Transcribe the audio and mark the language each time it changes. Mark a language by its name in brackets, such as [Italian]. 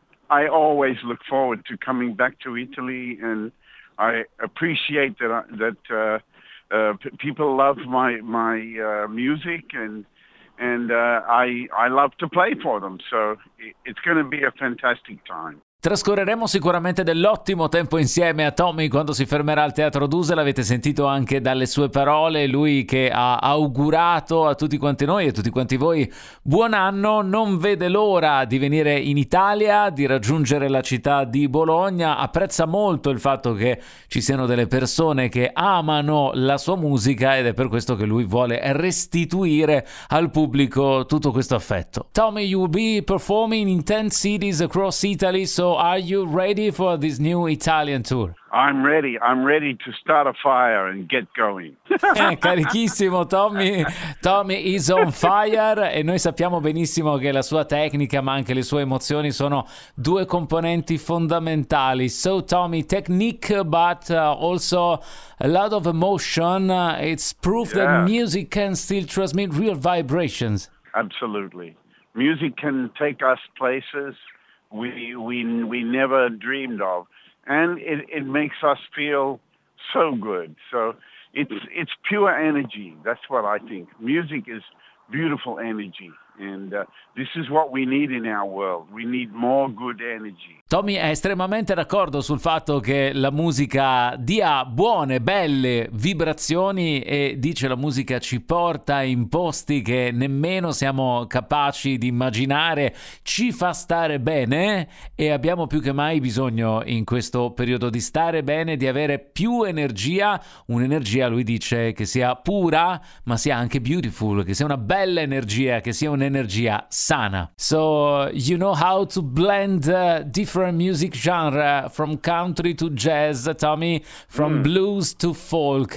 [English] I always look forward to coming back to Italy, and I appreciate that people love my music, and I love to play for them. So it's going to be a fantastic time. [Italian] Trascorreremo sicuramente dell'ottimo tempo insieme a Tommy quando si fermerà al Teatro Duse. L'avete sentito anche dalle sue parole, lui che ha augurato a tutti quanti noi e a tutti quanti voi buon anno, non vede l'ora di venire in Italia, di raggiungere la città di Bologna. Apprezza molto il fatto che ci siano delle persone che amano la sua musica, ed è per questo che lui vuole restituire al pubblico tutto questo affetto. [English] Tommy, you will be performing in 10 cities across Italy. So are you ready for this new Italian tour? I'm ready to start a fire and get going. [Italian] Carichissimo Tommy. [English] Tommy is on fire, [Italian] e noi sappiamo benissimo che la sua tecnica, ma anche le sue emozioni, sono due componenti fondamentali. [English] So Tommy, technique but also a lot of emotion. It's proof that music can still transmit real vibrations. Absolutely. Music can take us places we never dreamed of, and it makes us feel so good. So it's pure energy. That's what I think. Music is beautiful energy, and this is what we need in our world. We need more good energy. [Italian] Tommy è estremamente d'accordo sul fatto che la musica dia buone, belle vibrazioni, e dice la musica ci porta in posti che nemmeno siamo capaci di immaginare, ci fa stare bene, e abbiamo più che mai bisogno in questo periodo di stare bene, di avere più energia, un'energia, lui dice, che sia pura ma sia anche beautiful, che sia una bella energia, che sia un'energia sana. [English] So you know how to blend different music genre, from country to jazz, Tommy, from blues to folk.